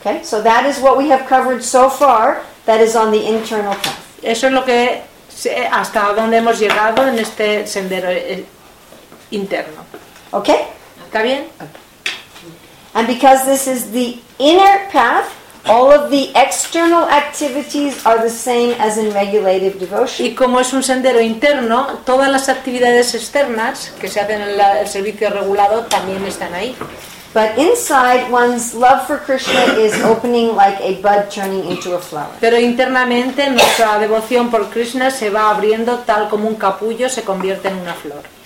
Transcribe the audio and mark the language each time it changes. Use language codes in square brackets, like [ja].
[en] Okay, so that is what we have covered so far, that is on the internal path. [es] Eso es lo que... hasta dónde hemos llegado en este sendero interno. [en] Okay. [es] ¿Está bien? [en] And because this is the inner path, all of the external activities are the same as in regulative devotion. [es] Y como es un sendero interno, todas las actividades externas que se hacen en el servicio regulado también están ahí. [en] But inside, one's love for Krishna is opening like a bud turning into a flower. [es] Pero internamente, nuestra devoción por Krishna se va abriendo tal como un capullo se convierte en una flor.